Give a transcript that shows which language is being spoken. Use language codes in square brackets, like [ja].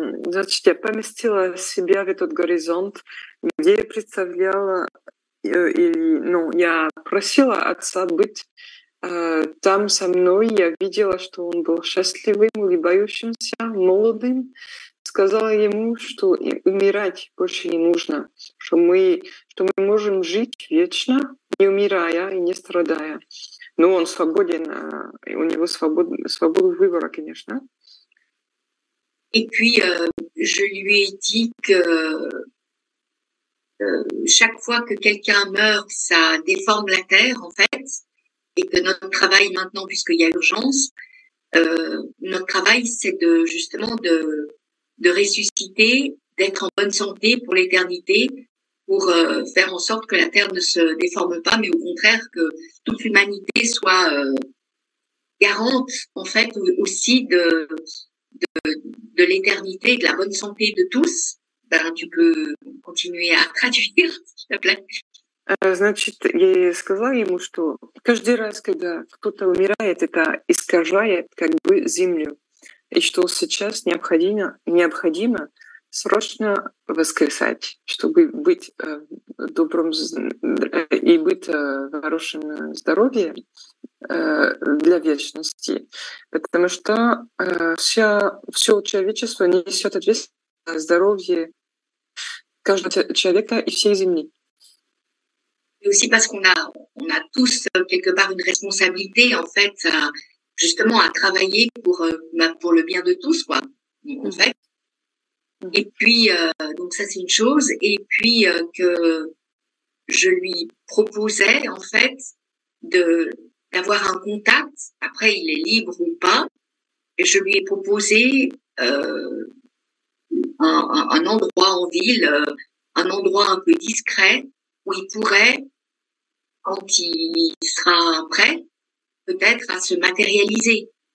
[ru] Значит, я поместила себя в этот горизонт, где я представляла, я просила отца быть там со мной. Я видела, что он был счастливым, улыбающимся, молодым, с сказала ему, что умирать больше не нужно, что мы можем жить вечно, не умирая и не страдая. Но он свободен, у него свобода выбора, конечно. [fr] Et puis, je lui ai dit que chaque fois que quelqu'un meurt, ça déforme la Terre, en fait, et que notre travail maintenant, puisqu'il y a l'urgence, notre travail, c'est de, justement de ressusciter, d'être en bonne santé pour l'éternité, pour faire en sorte que la Terre ne se déforme pas, mais au contraire, que toute l'humanité soit garante, en fait, aussi de l'éternité, de la bonne santé de tous, ben, tu peux continuer à traduire, s'il te plaît. [ru] Значит, я сказала ему, что каждый раз, когда кто-то умирает, это искажает как бы землю, и что сейчас необходимо срочно воскресать, чтобы быть добрым и быть в хорошем здоровье для вечности, потому что все человечество несет ответственность за здоровье каждого человека и всей земли. [fr] Et aussi parce qu'on a tous quelque part une responsabilité en fait justement à travailler pour le bien de tous quoi en fait et puis donc ça c'est une chose et puis que je lui proposais en fait d'avoir un contact après il est libre ou pas et je lui ai proposé un endroit en ville un endroit un peu discret où il pourrait quand il sera prêt, peut-être à se matérialiser.